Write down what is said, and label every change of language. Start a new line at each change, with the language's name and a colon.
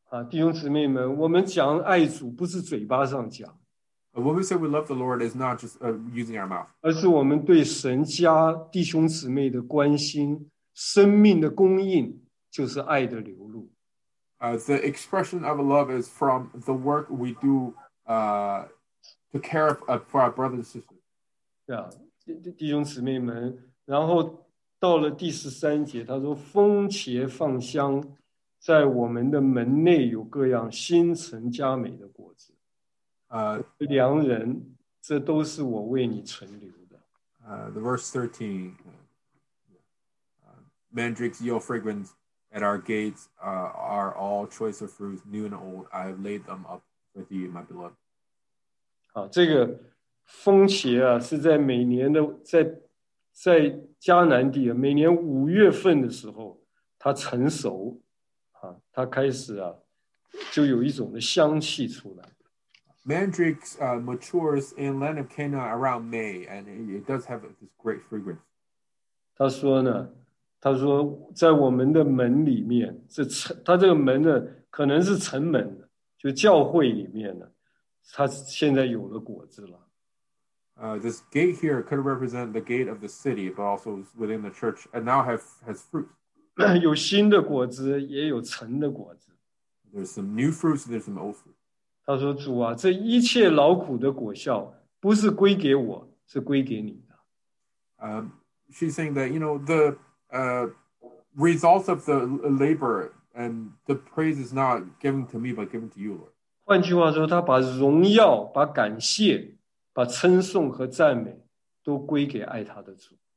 Chinese: 弟兄姊妹们，我们讲爱主不是嘴巴上讲。
English: When we say we love the Lord, it's not just using our mouth.
Chinese: 而是我们对神家弟兄姊妹的关心，生命的供应，就是爱的流露。
English: The expression of love is from the work we do to care for our brothers and sisters.
Chinese: 对啊，弟兄姊妹们，然后到了第十三节，他说，蜂茄放香，在我们的门内有各样新陈佳美的果子。良人，这都是我为你存留的。
English: The verse 13, mandrakes yield fragrance at our gates, are all choice of fruits, new and old. I have laid them up for thee, my beloved.
Chinese: 这个蜂茄啊，是在每年的在迦南地啊，每年五月份的时候，它成熟，它开始啊，就有一种的香气出来。
English: Mandrakes matures in land of Canaan around May, and it does have this great fragrance.
Chinese: 他说呢，他说在我们的门里面，这城，他这个门呢，可能是城门，就教会里面呢，他现在有了果子了。
English: This gate here could represent the gate of the city, but also within the church, and now has fruit.
Chinese: 有新的果子，也有陈的果子。
English: There's some new fruits, there's some old fruits.
Chinese: 他说：“主啊，这一切劳苦的果效，不是归给我，是归给你的。”
English: She's saying that you know the results of the labor and the praise is not given to me, but given to you, Lord.
Chinese: 换句话说，他把荣耀、把感谢、把称颂和赞美，都归给爱他的主。